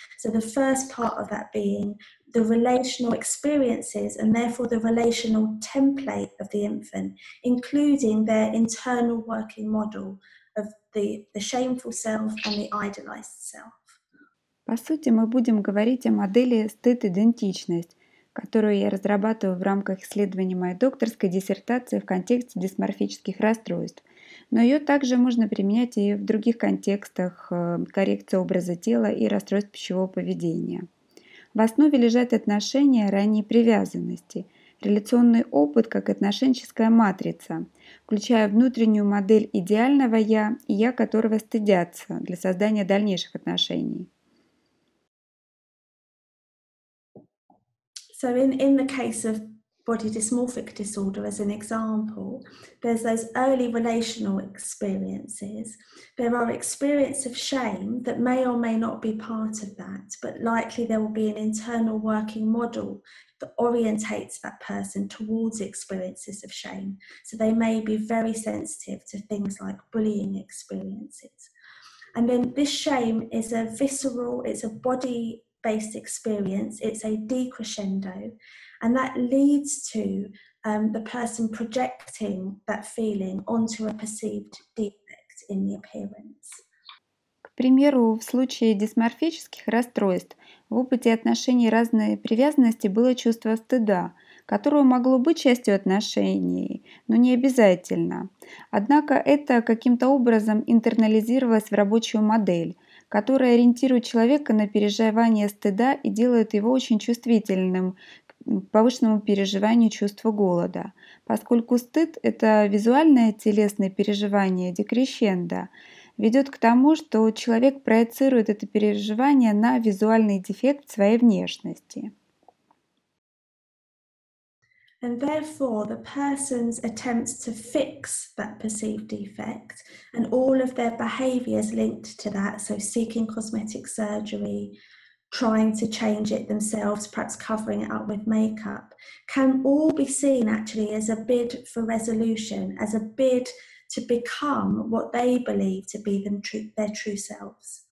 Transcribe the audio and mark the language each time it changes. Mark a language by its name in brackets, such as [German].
[English] So the first part of that being the relational experiences and therefore the relational template of the infant, including their internal working model of the shameful self and the idolized self. [Russian] По сути, мы будем говорить о модели стыд-идентичность, которую я разрабатываю в рамках исследования моей докторской диссертации в контексте дисморфических расстройств. Но ее также можно применять и в других контекстах коррекции образа тела и расстройств пищевого поведения. В основе лежат отношения ранней привязанности, реляционный опыт как отношенческая матрица, включая внутреннюю модель идеального «я» и «я», которого стыдятся для создания дальнейших отношений. [English] So in the case of body dysmorphic disorder, as an example, there's those early relational experiences. There are experiences of shame that may or may not be part of that, but likely there will be an internal working model that orientates that person towards experiences of shame. So they may be very sensitive to things like bullying experiences. And then this shame is a visceral, it's a body based experience, it's a decrescendo, and that leads to the person projecting that feeling onto a perceived defect in the appearance. [Russian] К примеру, в случае дисморфических расстройств в опыте отношений разной привязанности было чувство стыда, которое могло быть частью отношений, но не обязательно. Однако это каким-то образом интернализировалось в рабочую модель, которая ориентирует человека на переживание стыда и делает его очень чувствительным к повышенному переживанию чувства голода. Поскольку стыд – это визуальное телесное переживание декрещендо, ведет к тому, что человек проецирует это переживание на визуальный дефект своей внешности. [English] And therefore, the person's attempts to fix that perceived defect and all of their behaviors linked to that, so seeking cosmetic surgery, trying to change it themselves, perhaps covering it up with makeup, can all be seen actually as a bid for resolution, as a bid to become what they believe to be them, their true selves.